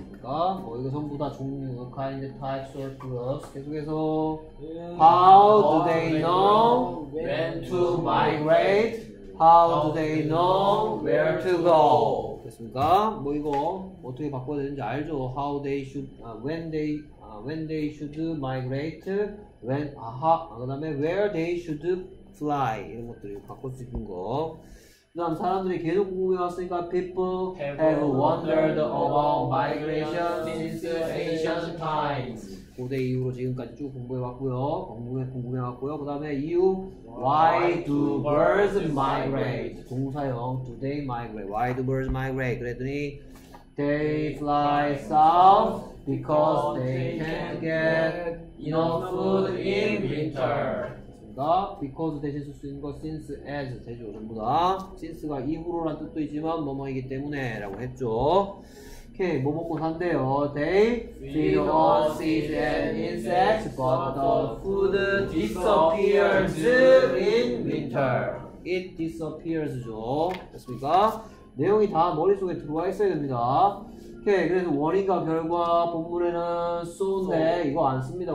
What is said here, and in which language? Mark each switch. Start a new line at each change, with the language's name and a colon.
Korean: 어, 이거 전부 다 종류, kind, types, or groups.
English: 계속해서 How do they know when to migrate? How do they know where to go?
Korean: 됐습니까? 뭐 이거 어떻게 바꿔야 되는지 알죠? How they should, when they should migrate, when, 아하, 그 다음에 where they should fly. 이런 것들을 바꿀 수 있는 거. 그 다음 사람들이 계속 궁금해왔으니까 People
English: have wondered about migration since ancient times.
Korean: 고대 이후로 지금까지 쭉 공부해왔고요. 궁금해왔고요. 그 다음에 이유 Why
English: do birds migrate?
Korean: 동사형
English: Do they migrate? Why do birds migrate?
Korean: 그랬더니
English: They fly south because they can't get enough food in winter.
Korean: Because 대신 쓸 수 있는 거 since, as 되죠 전부 다 since가 이후로란 뜻도 있지만 뭐뭐이기 때문에 라고 했죠. 오케이 뭐 먹고 산대요. They
English: feed on seeds and insects but the food disappears in winter. It disappears죠.
Korean: 됐습니까? 내용이 다 머릿속에 들어와 있어야 됩니다. 오케이 그래서 원인과 결과 본문에는 so인데 이거 안 씁니다.